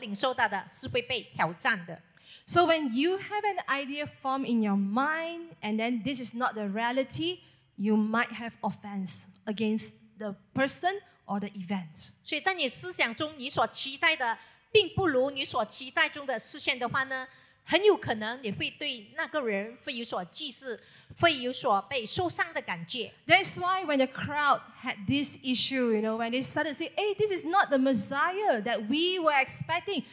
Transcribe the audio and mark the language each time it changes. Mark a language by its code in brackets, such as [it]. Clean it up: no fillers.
[zh] 所以我曾经跟你们分享过的这个信息，就是说，有时候我们所接受、所领受到的是会被挑战的。 [en] So when you have an idea formed in your mind, and then this is not the reality, you might have offense against the person or the event. [zh] 所以在你思想中，你所期待的。并不如你所期待中的实现的话呢，很有可能你会对那个人会有所忌视，会有所被受伤的感觉。 [en] That's why when the crowd had this issue, you know, when they started saying, "Hey, this is not the Messiah that we were expecting.